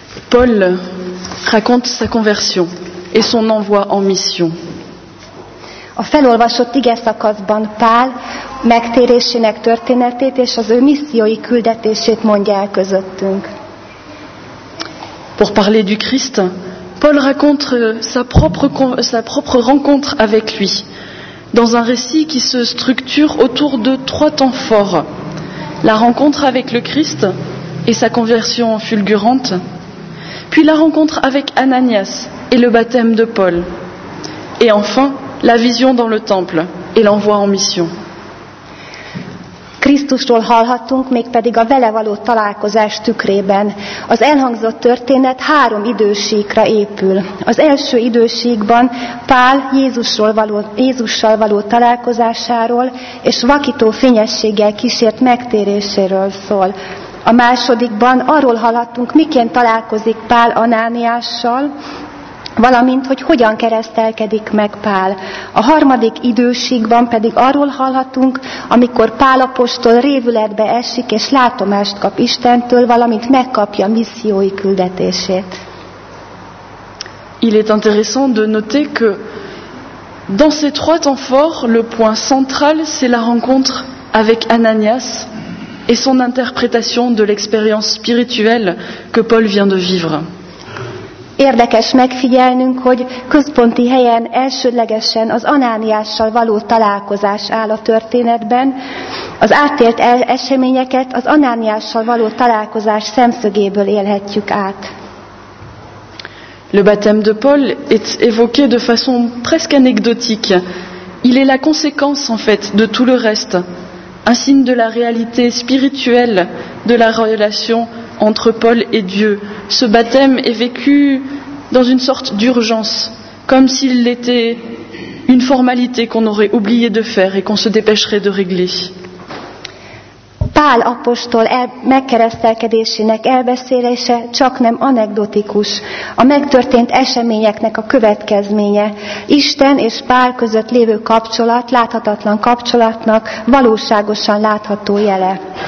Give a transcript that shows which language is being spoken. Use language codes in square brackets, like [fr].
[fr] Paul raconte sa conversion et son envoi en mission. [hu] A felolvasott ige szakaszban Pál megtérésének történetét és az ő missziói küldetését mondja el közöttünk. [fr] Pour parler du Christ, Paul raconte sa propre rencontre avec lui dans un récit qui se structure autour de trois temps forts: la rencontre avec le Christ et sa conversion fulgurante, puis la rencontre avec Ananias et le baptême de Paul, et enfin la vision dans le temple et l'envoi en mission. [hu] Krisztusról hallhattunk, mégpedig a vele való találkozás tükrében. Az elhangzott történet három idősíkra épül. Az első idősíkban Pál Jézussal való találkozásáról és vakító fényességgel kísért megtéréséről szól. A másodikban arról hallhattunk, miként találkozik Pál Anániással, valamint, hogy hogyan keresztelkedik meg Pál. A harmadik időségben pedig arról hallhatunk, amikor Pál apostol révületbe esik, és látomást kap Istentől, valamint megkapja missziói küldetését. [fr] Il est intéressant de noter que dans ces trois temps forts, le point central, c'est la rencontre avec Ananias et son interprétation de l'expérience spirituelle que Paul vient de vivre. [hu] Érdekes megfigyelnünk, hogy központi helyen elsődlegesen az Anániással való találkozás áll a történetben. Az átélt eseményeket az Anániással való találkozás szemszögéből élhetjük át. [fr] Le baptême de Paul est évoqué de façon presque anecdotique. Il est la conséquence, en fait, de tout le reste, un signe de la réalité spirituelle de la relation entre Paul et Dieu. Ce baptême est vécu dans une sorte d'urgence, comme s'il était une formalité qu'on aurait oublié de faire et qu'on se dépêcherait de régler. [hu] Pál apostol megkeresztelkedésének elbeszélése csak nem anekdotikus. A megtörtént eseményeknek a következménye. Isten és Pál között lévő kapcsolat láthatatlan kapcsolatnak valóságosan látható jele.